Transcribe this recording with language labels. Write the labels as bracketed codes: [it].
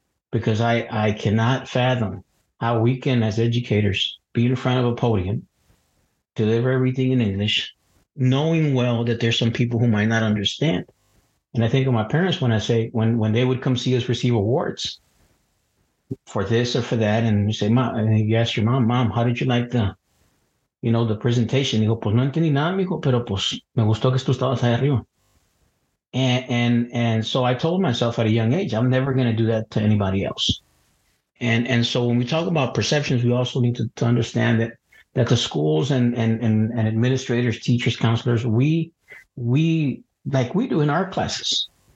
[en] Because I cannot fathom how we can, as educators, be in front of a podium, deliver everything in English, knowing well that there's some people who might not understand. And I think of my parents when I say, when they would come see us receive awards for this or for that, and you say, Mom, and you ask your mom, how did you like the, you know, the presentation? [es] Digo, pues no entendí nada, mijo, pero pues me gustó que tú estabas ahí arriba. [en] And so I told myself at a young age, I'm never going to do that to anybody else. And so when we talk about perceptions, we also need to understand that the schools and administrators, teachers, counselors, we like we do in our classes.